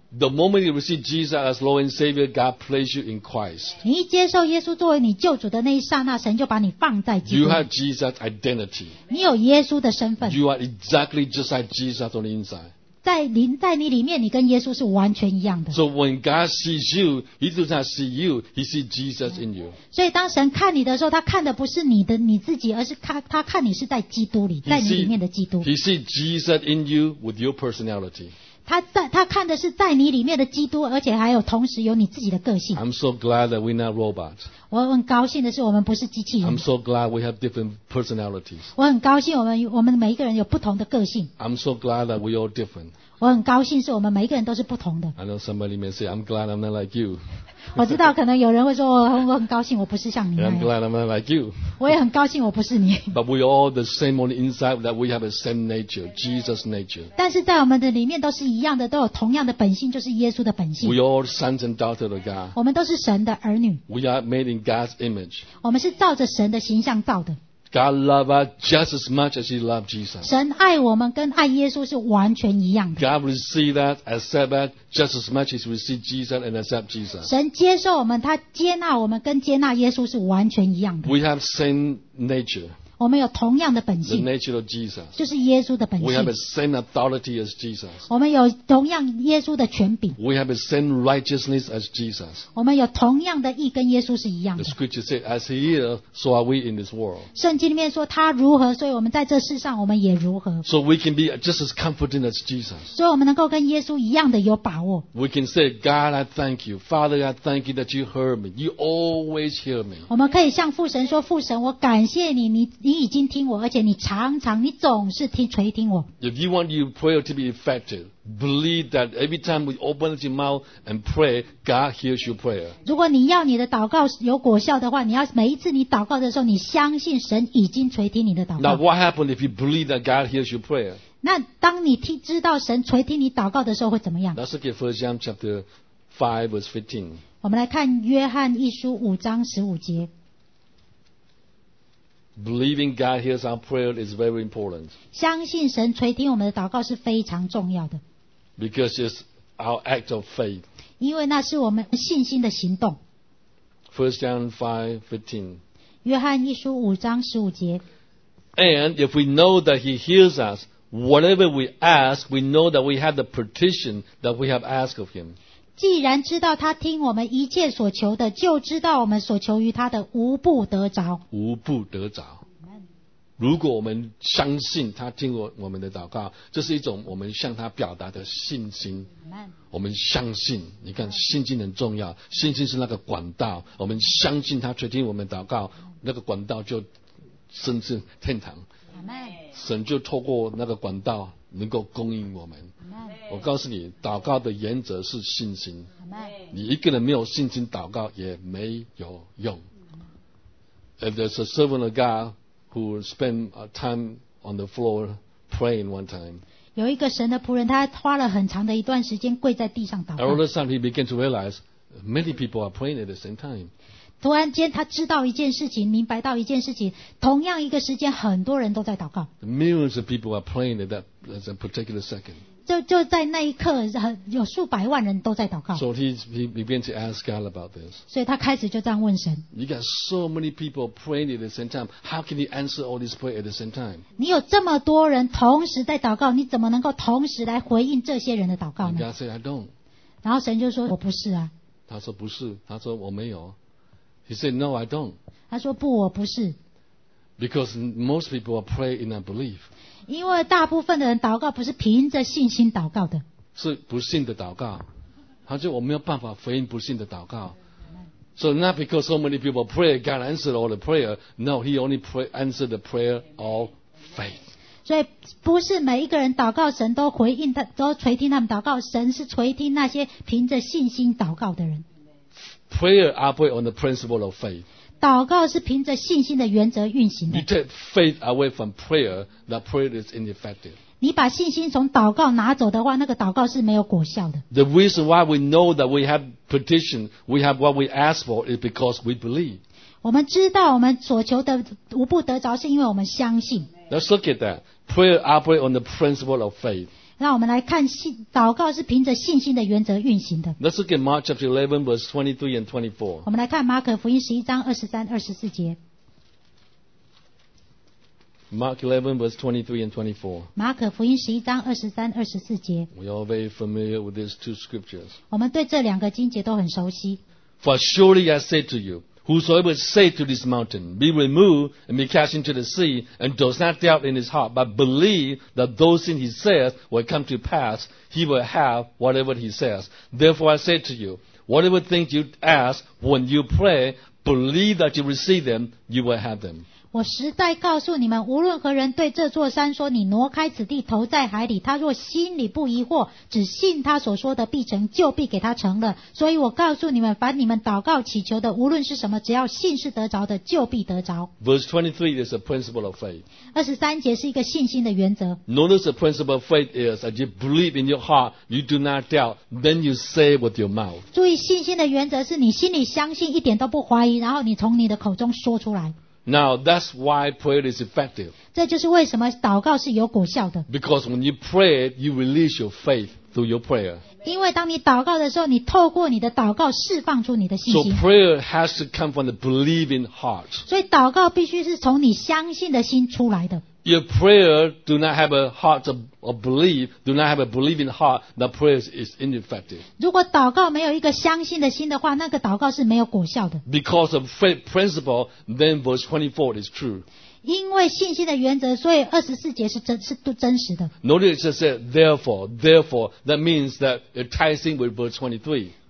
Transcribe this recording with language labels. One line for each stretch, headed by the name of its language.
English: The moment you receive Jesus as Lord and Savior, God places you in Christ.
Chinese: 你一接受耶稣作为你救主的那一刹那，神就把你放在基督。
English: You have Jesus' identity.
Chinese: 你有耶稣的身份。
English: You are exactly just like Jesus on the inside.
Chinese: 在你里面，你跟耶稣是完全一样的。
English: So when God sees you, He does not see you, He sees Jesus in you.
Chinese: 所以当神看你的时候，他看的不是你的你自己，而是他看你是在基督里，在你里面的基督。
English: He sees Jesus in you with your personality.
Chinese: 他看的是在你里面的基督，而且还有同时有你自己的个性。
English: I'm so glad that we're not robots.
Chinese: 我很高兴的是我们不是机器人。
English: I'm so glad we have different personalities.
Chinese: 我很高兴我们每一个人有不同的个性。
English: I'm so glad that we're all different.
Chinese: 我很高兴是我们每一个人都是不同的。
English: I know somebody may say, I'm glad I'm not like you.
Chinese: 我知道可能有人会说，我很高兴我不是像你那
English: 样。I'm glad I'm not like you.
Chinese: 我也很高兴我不是你。
English: But we're all the same on the inside, that we have the same nature, Jesus' nature.
Chinese: 但是在我们的里面都是一样的，都有同样的本性，就是耶稣的本性。
English: We're all sons and daughters of God.
Chinese: 我们都是神的儿女。
English: We are made in God's image.
Chinese: 我们是照着神的形象造的。
English: God loves us just as much as He loved Jesus.
Chinese: 神爱我们跟爱耶稣是完全一样的。
English: God received that, accept that, just as much as He received Jesus and accept Jesus.
Chinese: 神接受我们，他接纳我们跟接纳耶稣是完全一样的。
English: We have same nature.
Chinese: 我们有同样的本性。
English: The nature of Jesus.
Chinese: 就是耶稣的本性。
English: We have the same authority as Jesus.
Chinese: 我们有同样耶稣的权柄。
English: We have the same righteousness as Jesus.
Chinese: 我们有同样的义跟耶稣是一样的。
English: The scripture said, as he is, so are we in this world.
Chinese: 圣经里面说他如何，所以我们在这世上我们也如何。
English: So we can be just as confident as Jesus.
Chinese: 所以我们能够跟耶稣一样的有把握。
English: We can say, God, I thank you. Father, I thank you that you heard me. You always hear me.
Chinese: 我们可以向父神说，父神，我感谢你，你已经听我，而且你常常，你总是听垂听我。
English: If you want your prayer to be effective, believe that every time we open your mouth and pray, God hears your prayer.
Chinese: 如果你要你的祷告有果效的话，你要每一次你祷告的时候，你相信神已经垂听你的祷告。
English: Now, what happens if you believe that God hears your prayer?
Chinese: 那当你听知道神垂听你祷告的时候会怎么样
English: ？Let's look at 1 John chapter 5 verse 15.
Chinese: 我们来看约翰一书五章十五节。
English: Believing God hears our prayer is very important.
Chinese: 相信神垂听我们的祷告是非常重要的。
English: Because it's our act of faith.
Chinese: 因为那是我们信心的行动。
English: First John 5:15.
Chinese: 约翰一书五章十五节。
English: And if we know that He hears us, whatever we ask, we know that we have the petition that we have asked of Him.
Chinese: 既然知道他听我们一切所求的，就知道我们所求于他的无不得着。无不得着。如果我们相信他听过我们的祷告，这是一种我们向他表达的信心。我们相信，你看，信心很重要，信心是那个管道。我们相信他垂听我们祷告，那个管道就升至天堂。神就透过那个管道能够供应我们。我告诉你，祷告的原则是信心。你一个人没有信心祷告也没有用。
English: If there's a servant of God who spent time on the floor praying one time,
Chinese: 有一个神的仆人，他花了很长的一段时间跪在地上祷告。
English: All of a sudden, he began to realize many people are praying at the same time.
Chinese: 突然间他知道一件事情，明白到一件事情，同样一个时间很多人都在祷告。
English: Millions of people are praying at that particular second.
Chinese: 就在那一刻有数百万人都在祷告。
English: So he began to ask God about this.
Chinese: 所以他开始就这样问神。
English: You got so many people praying at the same time. How can you answer all these prayers at the same time?
Chinese: 你有这么多人同时在祷告，你怎么能够同时来回应这些人的祷告呢？
English: God said, I don't.
Chinese: 然后神就说，我不是啊。他说不是，他说我没有。
English: He said, "No, I don't."
Chinese: 他说不，我不是。
English: Because most people are pray in unbelief.
Chinese: 因为大部分的人祷告不是凭着信心祷告的。是不信的祷告。他说我没有办法回应不信的祷告。
English: So not because so many people pray, God answered all the prayer. No, He only answered the prayer of faith.
Chinese: 所以不是每一个人祷告神都回应他，都垂听他们祷告。神是垂听那些凭着信心祷告的人。
English: Prayer operates on the principle of faith.
Chinese: 祷告是凭着信心的原则运行的。
English: You take faith away from prayer, that prayer is ineffective.
Chinese: 你把信心从祷告拿走的话，那个祷告是没有果效的。
English: The reason why we know that we have petition, we have what we ask for, is because we believe.
Chinese: 我们知道我们所求的无不得着，是因为我们相信。
English: Let's look at that. Prayer operates on the principle of faith.
Chinese: 让我们来看信祷告是凭着信心的原则运行的。
English: Let's look at Mark chapter 11 verse 23 and 24.
Chinese: 我们来看马可福音十一章二十三、二十四节。
English: Mark 11 verse 23 and 24.
Chinese: 马可福音十一章二十三、二十四节。
English: We are very familiar with these two scriptures.
Chinese: 我们对这两个经节都很熟悉。
English: For surely I say to you, whosoever says to this mountain, be removed and be cast into the sea, and does not doubt in his heart, but believe that those things he says will come to pass, he will have whatever he says. Therefore I say to you, whatever things you ask when you pray, believe that you receive them, you will have them.
Chinese: 我实在告诉你们，无论何人对这座山说，你挪开此地，投在海里，他若心里不疑惑，只信他所说的必成就，必给他成了。所以我告诉你们，凡你们祷告祈求的，无论是什么，只要信是得着的，就必得着。
English: Verse 23 is a principle of faith.
Chinese: 二十三节是一个信心的原则。
English: Notice the principle of faith is that you believe in your heart, you do not doubt, then you say with your mouth.
Chinese: 注意，信心的原则是你心里相信，一点都不怀疑，然后你从你的口中说出来。
English: Now that's why prayer is effective.
Chinese: 这就是为什么祷告是有果效的。
English: Because when you pray, you release your faith. through your prayer.
Chinese: 因为当你祷告的时候，你透过你的祷告释放出你的信心。
English: So prayer has to come from the believing heart.
Chinese: 所以祷告必须是从你相信的心出来的。
English: Your prayer do not have a heart of belief, do not have a believing heart, the prayer is ineffective.
Chinese: 如果祷告没有一个相信的心的话，那个祷告是没有果效的。
English: Because of faith principle, then verse 24 is true.
Chinese: 因为信心的原则，所以24节是真实的。
English: Notice it says therefore, that means that it ties in with verse 23.